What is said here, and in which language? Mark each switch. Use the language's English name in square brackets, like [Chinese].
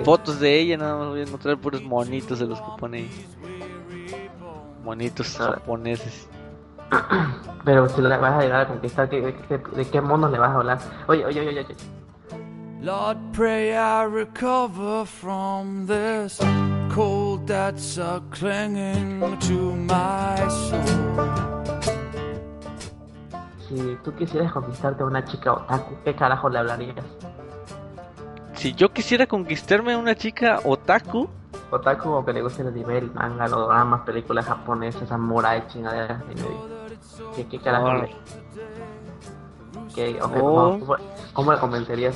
[Spanish] Fotos de ella, nada más voy a encontrar puros monitos de los que pone ahí. Monitos japoneses. Pero si le vas a llegar a conquistar, ¿de qué monos le vas a hablar? Oye. [English] Lord, pray I recover from this cold that's a clinging to my soul. [Spanish] Si tú quisieras conquistarte a una chica otaku, ¿qué carajo le hablarías? Si yo quisiera conquistarme a una chica otaku... Otaku o que le guste el anime, el manga, los dramas, películas japonesas, samurai, chingaderas, y medio. ¿Qué carajo le... ¿Qué? Okay, oh. ¿Cómo le convencerías?